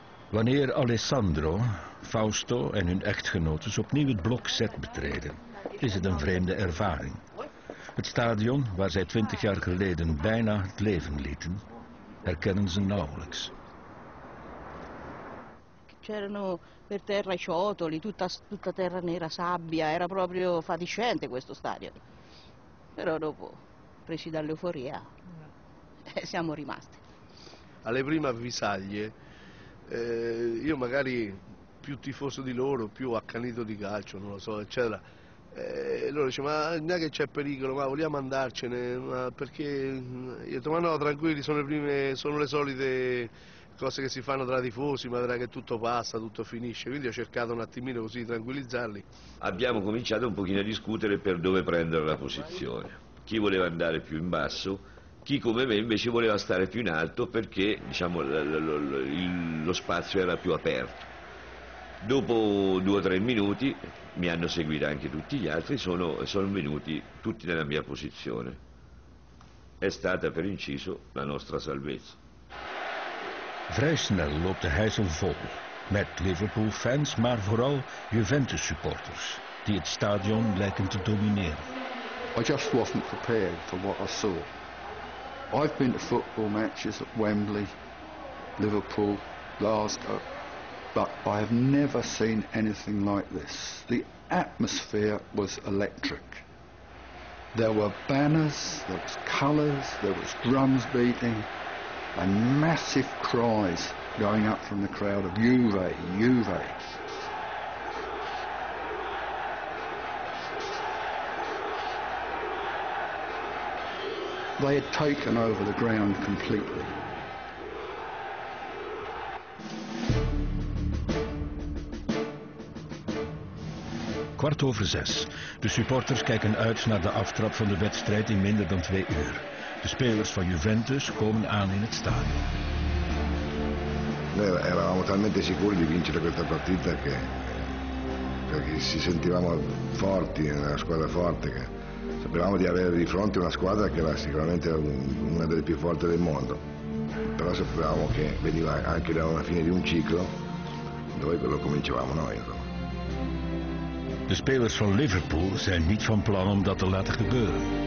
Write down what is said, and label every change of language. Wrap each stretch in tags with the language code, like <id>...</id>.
<nl>Wanneer Alessandro, Fausto en hun echtgenotes opnieuw het blok Z betreden, is het een vreemde ervaring. Het stadion waar zij 20 jaar geleden bijna het leven lieten, herkennen ze nauwelijks.</nl> <it>C'erano per terra ciotoli, tutta terra nera, sabbia, era proprio fatiscente questo stadio. Però dopo, presi dall'euforia, siamo rimasti. Alle prime avvisaglie, io magari più tifoso di loro, più accanito di calcio, non lo so, eccetera. Loro dicono, ma non è che c'è pericolo, ma vogliamo andarcene, ma perché? Io dico, ma no, tranquilli, sono le solite cose che si fanno tra tifosi, ma vedrà che tutto passa, tutto finisce. Quindi ho cercato un attimino così di tranquillizzarli. Abbiamo cominciato un pochino a discutere per dove prendere la posizione. Chi voleva andare più in basso, chi come me invece voleva stare più in alto perché, diciamo, lo spazio era più aperto. Dopo 2 o 3 minuti, mi hanno seguito anche tutti gli altri, sono venuti tutti nella mia posizione. È stata, per inciso, la nostra salvezza.</it> <nl>Vrij snel loopt de heisel vol, met Liverpool-fans, maar vooral Juventus-supporters, die het stadion lijken te domineren.</nl> <en>I just wasn't prepared for what I saw. I've been to football matches at Wembley, Liverpool, Glasgow, but I have never seen anything like this. The atmosphere was electric. There were banners, there was colours, there was drums beating. And massive cries going up from the crowd of Juve, Juve. They had taken over the ground completely.</en> <nl>Kwart over zes. De supporters kijken uit naar de aftrap van de wedstrijd in minder dan 2 uur. De spelers van Juventus komen aan in het stadion.</nl> <it>Noi eravamo talmente sicuri di vincere questa partita che perché ci sentivamo forti, una squadra forte, che sapevamo di avere di fronte una squadra che era sicuramente una delle più forti del mondo. Però sapevamo che veniva anche da una fine di un ciclo dove lo cominciavamo noi.</it> <nl>De spelers van Liverpool zijn niet van plan om dat te laten gebeuren.</nl>